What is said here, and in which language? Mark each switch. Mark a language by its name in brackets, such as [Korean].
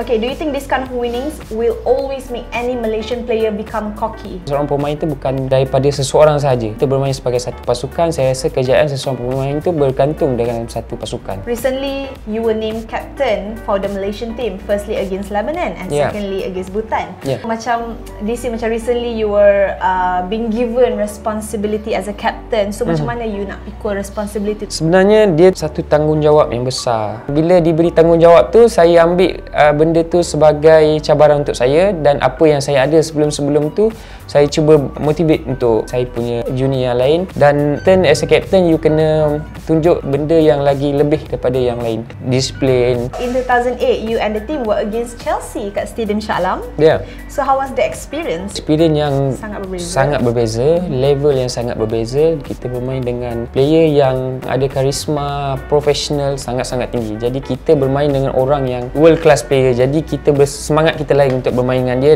[English] Okay, do you think this kind of winnings will always make any Malaysian player become cocky? [Malay] Seorang pemain tu bukan daripada seseorang saja. Kita bermain sebagai satu pasukan. Saya rasa kejayaan seseorang pemain tu bergantung dengan satu pasukan. [English] Recently you were named captain for the Malaysian team, firstly against Lebanon and secondly against Bhutan. Yeah. Macam this year, macam recently you were being given responsibility as a captain. [Malay] So macam mana you nak pikul responsibility? Sebenarnya dia satu tanggungjawab yang besar. Bila diberi tanggungjawab tu, saya ambil benda tu sebagai cabaran untuk saya. Dan apa yang saya ada sebelum-sebelum tu, saya cuba motivate untuk saya punya junior yang lain. Dan [English] turn as a captain, you [Malay] kena tunjuk benda yang lagi lebih daripada yang lain. [English] Discipline. In 2008, you and the team were against Chelsea kat Stadium Shah Alam. Yeah. So how was the experience? [Malay] Experience yang sangat berbeza. Sangat berbeza. Level yang sangat berbeza. Kita bermain dengan player yang ada karisma, professional sangat-sangat tinggi. Jadi kita bermain dengan orang yang [English] world class player. [Malay] Jadi kita bersemangat kita lain untuk bermain dengan dia.